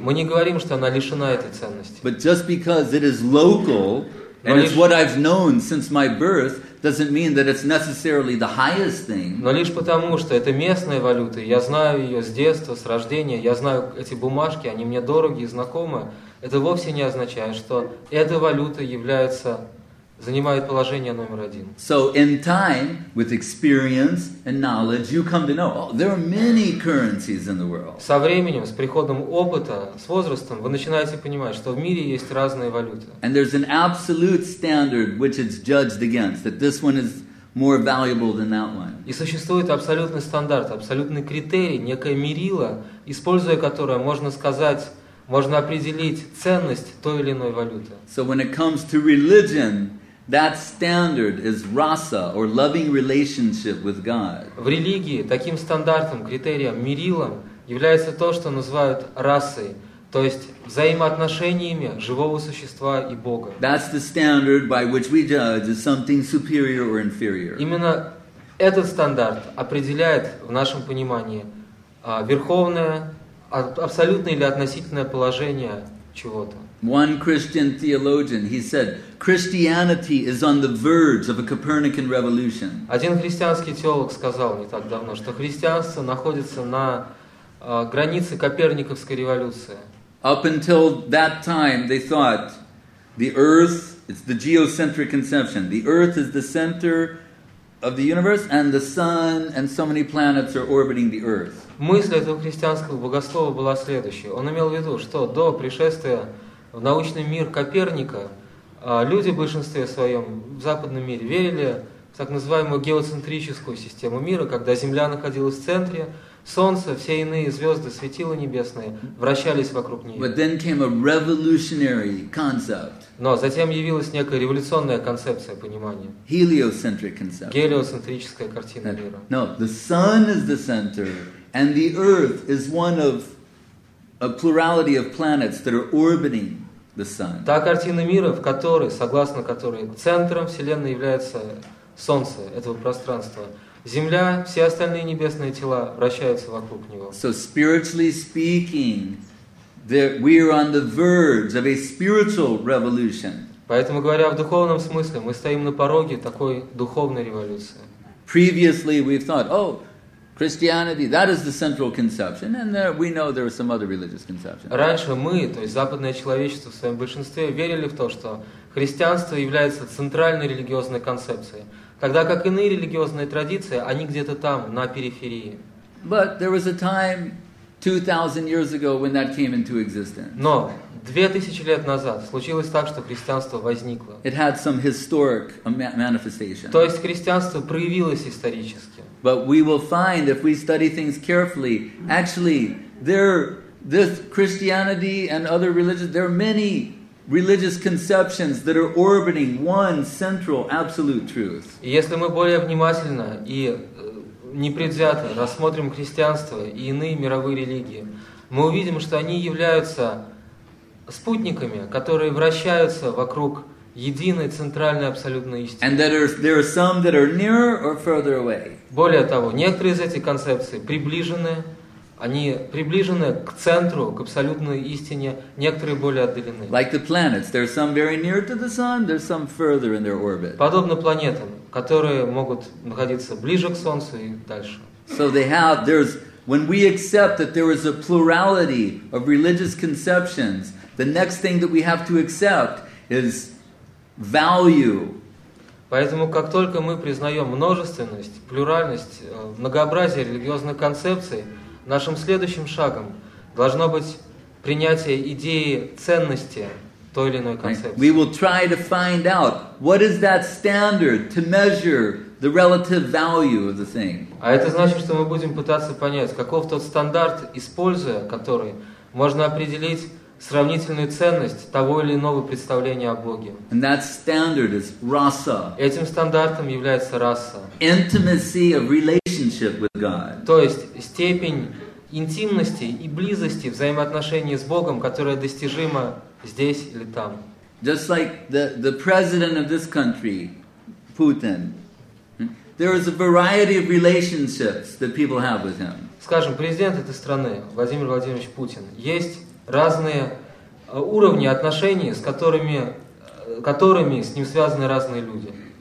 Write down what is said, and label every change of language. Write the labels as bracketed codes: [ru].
[ru] Мы не говорим, что она лишена этой ценности. [en] But just because it is local and it's what I've known since my birth doesn't mean that it's necessarily the highest thing. [ru] Но лишь потому, что это местная валюта, я знаю ее с детства, с рождения, я знаю эти бумажки, они мне дороги и знакомы, это вовсе не означает, что эта валюта является занимает положение номер один. [en] So in time, with experience and knowledge, you come to know, oh, there are many currencies in the world. [ru] Со временем, с приходом опыта, с возрастом, вы начинаете понимать, что в мире есть разные валюты. [en] And there's an absolute standard which it's judged against, that this one is more valuable than that one. [ru] И существует абсолютный стандарт, абсолютный критерий, некое мерило, используя которое можно сказать, можно определить ценность той или иной валюты. [en] So when it comes to religion, that standard is rasa or loving relationship with God. [ru] В религии таким стандартом, критерием, мерилом является то, что называют расой, то есть взаимоотношениями живого существа и Бога. [en] That's the standard by which we judge is something superior or inferior. [ru] Именно этот стандарт определяет в нашем понимании верховное, абсолютное или относительное положение чего-то. [en] One Christian theologian, he said, Christianity is on the verge of a Copernican revolution. [ru] Один христианский теолог сказал не так давно, что христианство находится на границе Коперниковской революции. [en] Up until that time, they thought the earth, it's the geocentric conception. The earth is the center of the universe, and the sun and so many planets are orbiting the earth. [ru] Мысль этого христианского богослова была следующей. Он имел в виду, что до пришествия в научный мир Коперника люди в большинстве своем в западном мире верили в так называемую геоцентрическую систему мира, когда Земля находилась в центре, Солнце, все иные звезды, светила небесные вращались вокруг нее. [en] But then came a revolutionary concept. [ru] Но затем явилась некая революционная концепция понимания. [en] Heliocentric concept. [ru] Гелиоцентрическая картина мира. [en] No, the sun is the center, and the earth is one of a plurality of planets that are orbiting the sun. [ru] Та картина мира, в которой, согласно которой, центром Вселенной является Солнце этого пространства. Земля, все остальные небесные тела вращаются вокруг него. [en] So spiritually speaking, we are on the verge of a spiritual revolution. [ru] Поэтому говоря в духовном смысле, мы стоим на пороге такой духовной революции. [en] Previously we've thought, oh, Christianity, that is the central conception, and there, we know there are some other religious conceptions. [ru] Раньше мы, то есть западное человечество в своем большинстве, верили в то, что христианство является центральной религиозной концепцией, тогда как иные религиозные традиции, они где-то там, на периферии. [en] But there was a time 2000 years ago when that came into existence. [ru] Но 2000 лет назад случилось так, что христианство возникло. [en] It had some historic manifestation. [ru] То есть христианство проявилось исторически. [en] But we will find, if we study things carefully, actually, there, this Christianity and other religions, there are many religious conceptions that are orbiting one central absolute truth. [ru] Если мы более внимательно и непредвзято рассмотрим христианство и иные мировые религии, мы увидим, что они являются спутниками, которые вращаются вокруг единой центральной абсолютной истины. [en] And there are some that are nearer or further away. [ru] Более того, некоторые из этих концепций приближены, они приближены к центру, к абсолютной истине, некоторые более отдалены. [en] Like the planets, there are some very near to the sun, there are some further in their orbit. [ru] Подобно планетам, которые могут находиться ближе к Солнцу и дальше. [en] So they have when we accept that there is a plurality of religious conceptions, the next thing that we have to accept is value. [ru] Поэтому как только мы признаем множественность, плюральность, многообразие религиозных концепций, нашим следующим шагом должно быть принятие идеи ценности той или иной концепции. [en] Right. We will try to find out what is that standard to measure the relative value of the thing. [ru] А это значит, что мы будем пытаться понять, каков тот стандарт, используя который, можно определить сравнительную ценность того или иного представления о Боге. [en] And that standard is rasa. [ru] Этим стандартом является раса. [en] Intimacy of relationship with God. [ru] То есть степень интимности и близости взаимоотношений с Богом, которая достижима здесь или там. [en] Just like the president of this country, Putin. There is a variety of relationships that people have with him. [ru] Скажем, президент этой страны, Владимир Владимирович Путин, есть разные уровни отношений, с которыми с ним связаны разные люди.